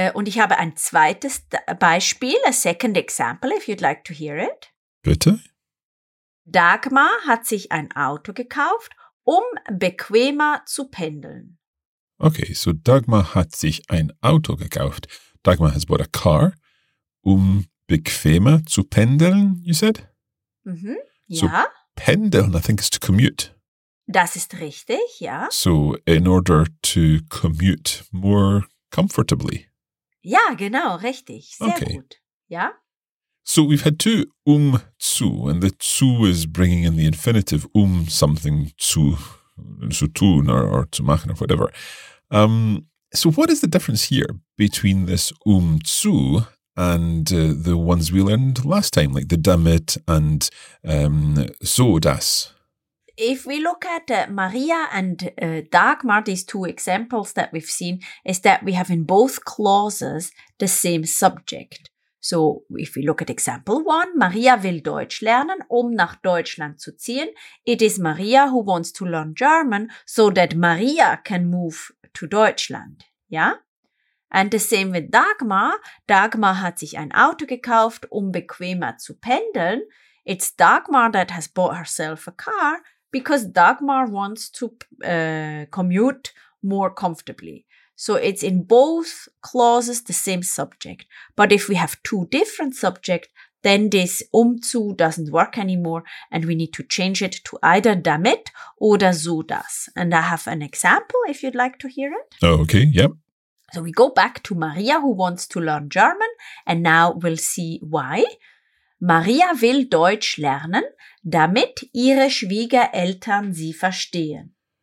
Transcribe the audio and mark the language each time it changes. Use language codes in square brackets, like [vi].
[de] Und ich habe ein zweites Beispiel, [en] a second example, if you'd like to hear it. [de] Bitte? Dagmar hat sich ein Auto gekauft, um bequemer zu pendeln. [en] Okay, so [de] Dagmar hat sich ein Auto gekauft. [en] Dagmar has bought a car, [de] um bequemer zu pendeln, [en] you said? [de] Mhm, ja. [en] So pendeln, I think, is to commute. [de] Das ist richtig, ja. [en] So, in order to commute more comfortably. [de] Ja, genau, richtig. Sehr okay. gut. Ja. [en] So, we've had two zu, and the zu is bringing in the infinitive something zu tun or zu machen or whatever. So, what is the difference here between this zu and the ones we learned last time, like the damit and so das? If we look at Maria and Dagmar, these two examples that we've seen, is that we have in both clauses the same subject. So if we look at example one, [de] Maria will Deutsch lernen, um nach Deutschland zu ziehen. [en] It is Maria who wants to learn German so that Maria can move to Deutschland. Yeah? And the same with Dagmar. [de] Dagmar hat sich ein Auto gekauft, um bequemer zu pendeln. [en] It's Dagmar that has bought herself a car, because Dagmar wants to commute more comfortably. So it's in both clauses the same subject. But if we have two different subjects, then this zu doesn't work anymore and we need to change it to either damit oder so das. And I have an example if you'd like to hear it. Okay, yep. So we go back to Maria who wants to learn German and now we'll see why. [de] Maria will Deutsch lernen, damit ihre Schwiegereltern sie verstehen.